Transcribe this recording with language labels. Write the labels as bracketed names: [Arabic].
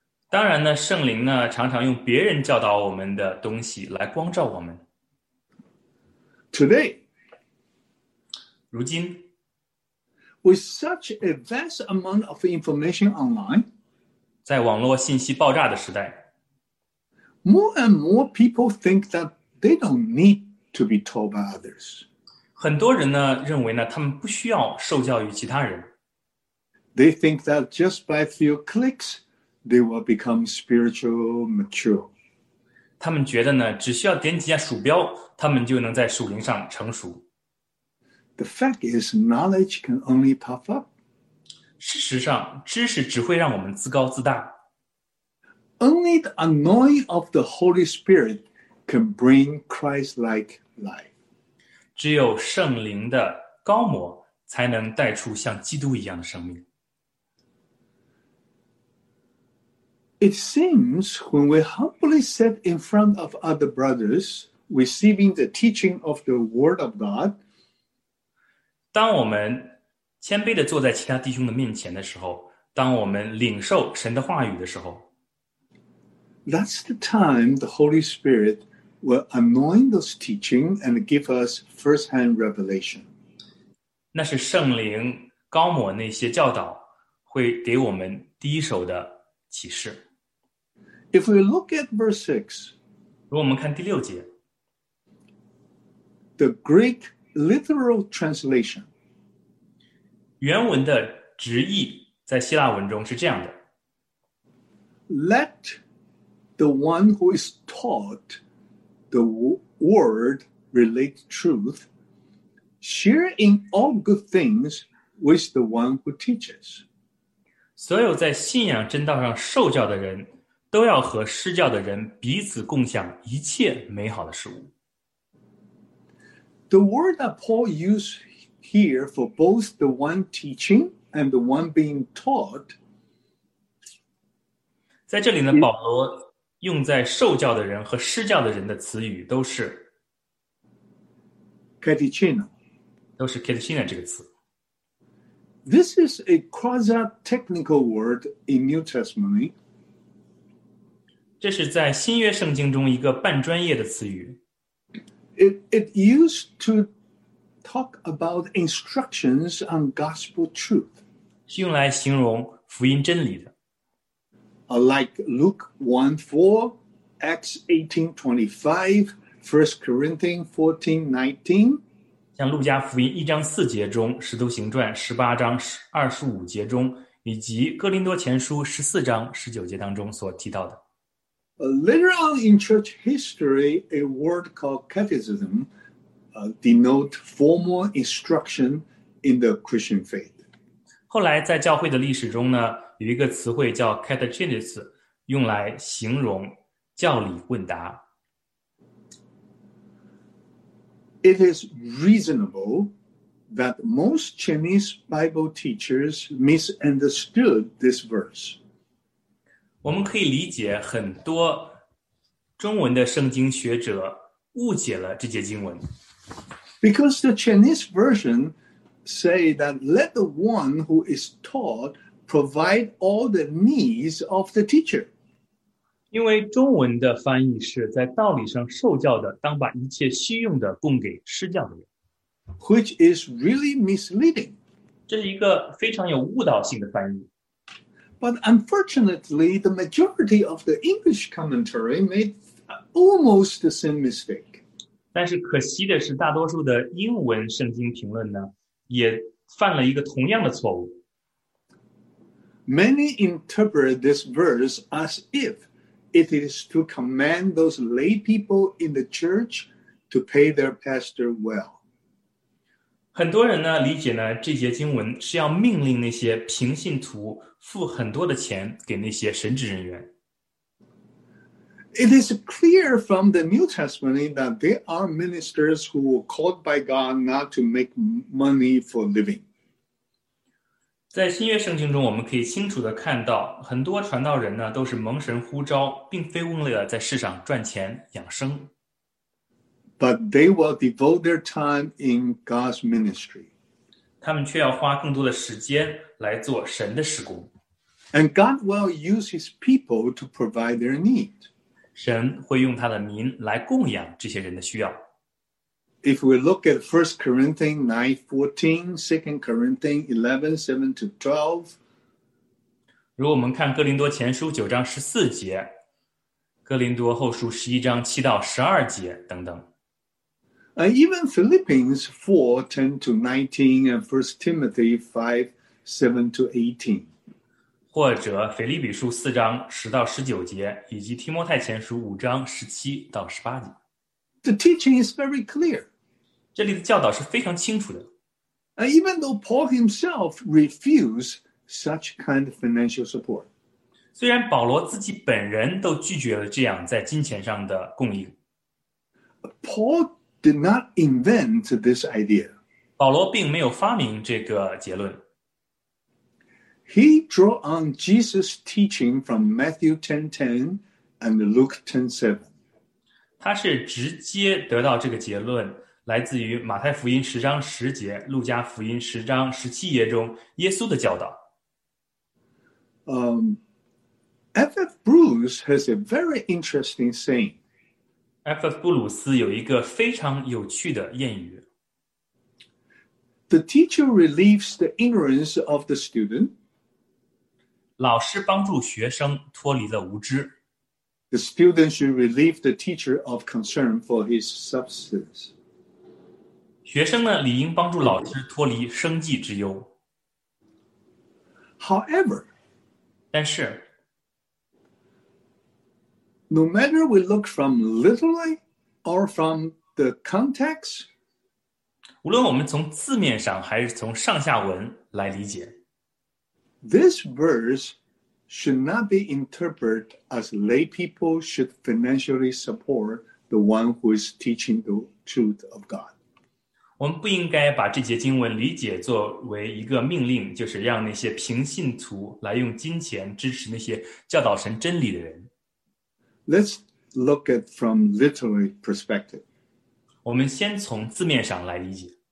[Chinese] 当然呢，圣灵呢常常用别人教导我们的东西来光照我们。 [English] Today, [Chinese] 如今 [English] ，with such a vast amount of information online, [Chinese] 在网络信息爆炸的时代 [English] ，more and more people think that they don't need to be taught by others. [Chinese] 很多人呢认为呢，他们不需要受教于其他人。 [English] They think that just by a few clicks. They will become spiritual mature. [Chinese] 他们觉得呢，只需要点几下鼠标，他们就能在属灵上成熟。 [English] The fact is, knowledge can only puff up. [Chinese] 事实上，知识只会让我们自高自大。 [English] Only the anointing of the Holy Spirit can bring Christ-like life. [Chinese] 只有圣灵的膏抹才能带出像基督一样的生命。 [English] It seems when we humbly sit in front of other brothers, receiving the teaching of the Word of God, [Chinese] 当我们谦卑地坐在其他弟兄的面前的时候，当我们领受神的话语的时候 [English] ，That's the time the Holy Spirit will anoint those teaching and give us firsthand revelation. [Chinese] 那是圣灵膏抹那些教导，会给我们第一手的启示。 [English] If we look at verse 6, [Chinese] 如果我们看第六节 [English] the Greek literal translation, [Chinese] 原文的直译在希腊文中是这样的 [English] Let the one who is taught the word relate truth, share in all good things with the one who teaches. [Chinese] 所有在信仰真道上受教的人都要和施教的人彼此共享一切美好的事物。 [English] The word that Paul used here for both the one teaching and the one being taught, [Chinese] 在这里呢，保罗用在受教的人和施教的人的词语都是 [Greek] catechino， [Chinese] 都是 catechino 这个词。 [English] This is a quasi-technical word in New Testament. [Chinese] 这是在新约圣经中一个半专业的词语。 [English] It used to talk about instructions on gospel truth. [Chinese] 是用来形容福音真理的。 [English] Like Luke 1:4, Acts 18:25, 1 Corinthians 14:19. [Chinese] 像路加福音一章四节中，使徒行传十八章二十五节中，以及哥林多前书十四章十九节当中所提到的。 [English] Later on in church history, a word called catechism denotes formal instruction in the Christian faith. [Chinese] 后来在教会的历史中呢，有一个词汇叫 catechesis， 用来形容教理问答。 [English] It is reasonable that most Chinese Bible teachers misunderstood this verse. [Chinese] 我们可以理解很多中文的圣经学者误解了这节经文。 [English] Because the Chinese version say that let the one who is taught provide all the needs of the teacher. [Chinese] 因为中文的翻译是在道理上受教的当把一切需用的供给施教的人。 [English] Which is really misleading. [Chinese] 这是一个非常有误导性的翻译。 [English] But unfortunately, the majority of the English commentary made almost the same mistake. [Chinese] 但是可惜的是大多数的英文圣经评论呢也犯了一个同样的错误。 [English] Many interpret this verse as if it is to command those lay people in the church to pay their pastor well. [Chinese] 很多人呢理解呢这节经文是要命令那些平信徒付很多的钱给那些神职人员。 [English] It is clear from the New Testament that there are ministers who were called by God not to make money for living. [Chinese] 在新约圣经中我们可以清楚地看到很多传道人呢都是蒙神呼召并非为了在世上赚钱养生。 [English] But they will devote their time in God's ministry. [Chinese] 他们却要花更多的时间来做神的事工。 [English] And God will use his people to provide their need. [Chinese] 神会用他的民来供养这些人的需要。 [English] If we look at 1 Corinthians 9:14, 2 Corinthians 11:7-12, [Chinese] 如果我们看哥林多前书9章14节，哥林多后书11章7到12节等等。 [English] And even Philippians 4:10-19 and 1 Timothy 5:7-18. [Chinese] 或者腓立比书4章10到19节以及提摩太前书5章17到18节。 [English] The teaching is very clear. [Chinese] 这里的教导是非常清楚的。 [English] And even though Paul himself refused such kind of financial support. [Chinese] 虽然保罗自己本人都拒绝了这样在金钱上的供应。 [English] Paul did not invent this idea. [Chinese] 保罗并没有发明这个结论。 [English] He drew on Jesus' teaching from Matthew 10:10 and Luke 10:7. [Chinese] 他是直接得到这个结论，来自于马太福音十章十节、路加福音十章十七节中耶稣的教导。 [English] F.F. Bruce has a very interesting saying. F.F. [Chinese] 布鲁斯有一个非常有趣的谚语。 [English] The teacher relieves the ignorance of the student. [Chinese] 老师帮助学生脱离了无知。 [English] The student should relieve the teacher of concern for his substance. [Chinese] 学生呢，理应帮助老师脱离生计之忧。 [English] However, [Chinese] 但是 [English] no matter we look from literally or from the context, [Chinese] 无论我们从字面上还是从上下文来理解， [English] this verse. Should not be interpreted as lay people should financially support the one who is teaching the truth of God. [Chinese] 我们不应该把这节经文理解作为一个命令，就是让那些平信徒来用金钱支持那些教导神真理的人。 [English] Let's look at from literary perspective. [Chinese] 我们先从字面上来理解。